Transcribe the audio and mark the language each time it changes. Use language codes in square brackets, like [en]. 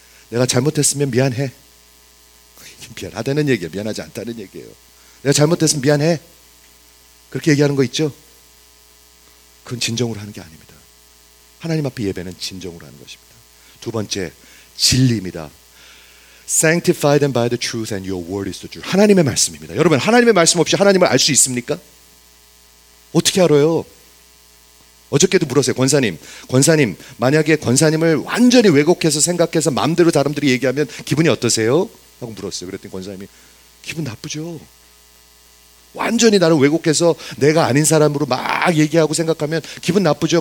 [ko] 내가 잘못했으면 미안해. 미안하다는 얘기야. 미안하지 않다는 얘기예요. 내가 잘못했으면 미안해. 그렇게 얘기하는 거 있죠? 그건 진정으로 하는 게 아닙니다. 하나님 앞에 예배는 진정으로 하는 것입니다. 두 번째, 진리입니다. [en] Sanctify them by the truth and your word is the truth. [ko] 하나님의 말씀입니다. 여러분 하나님의 말씀 없이 하나님을 알 수 있습니까? 어떻게 알아요? 어저께도 물었어요. 권사님, 만약에 권사님을 완전히 왜곡해서 생각해서 마음대로 사람들이 얘기하면 기분이 어떠세요? 하고 물었어요. 그랬더니 권사님이 기분 나쁘죠. 완전히 나를 왜곡해서 내가 아닌 사람으로 막 얘기하고 생각하면 기분 나쁘죠.